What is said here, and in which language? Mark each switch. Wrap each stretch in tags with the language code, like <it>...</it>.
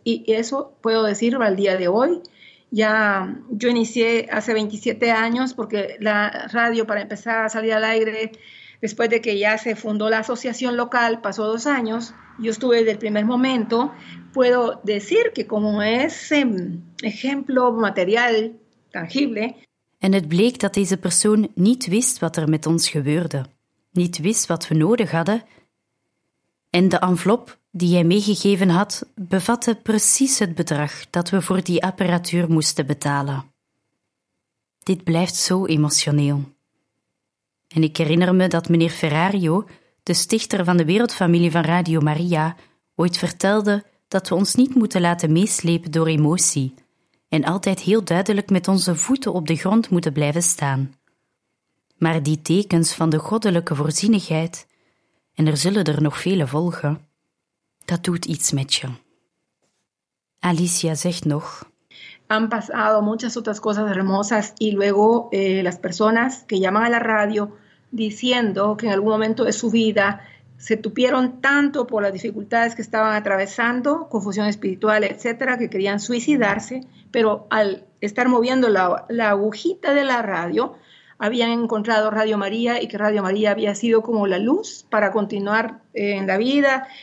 <es>Y eso puedo decir al día de hoy. Ya yo inicié hace 27 años porque la radio para empezar a salir al aire después de que ya se fundó la asociación local, pasó 2 años, yo estuve desde el primer momento, puedo decir que como ese ejemplo material tangible.</es> <nl>En het bleek dat deze persoon niet wist wat er met ons gebeurde, niet wist wat we nodig hadden. En de envelop die jij meegegeven had, bevatte precies het bedrag dat we voor die apparatuur moesten betalen. Dit blijft zo emotioneel. En ik herinner me dat meneer Ferrario, de stichter van de wereldfamilie van Radio Maria, ooit vertelde dat we ons niet moeten laten meeslepen door emotie en altijd heel duidelijk met onze voeten op de grond moeten blijven staan. Maar die tekens van de goddelijke voorzienigheid, en er zullen er nog vele volgen, dat doet iets met je. Alicia zegt nog...</nl> <es>Han pasado muchas otras cosas hermosas y luego las personas que llaman a la radio diciendo que en algún momento de su vida se tupieron tanto por las dificultades que estaban atravesando, confusión espiritual, etcétera, que querían suicidarse, pero al estar moviendo la agujita de la radio, habían encontrado Radio María y que Radio María había sido como la luz para continuar en la vida.</es>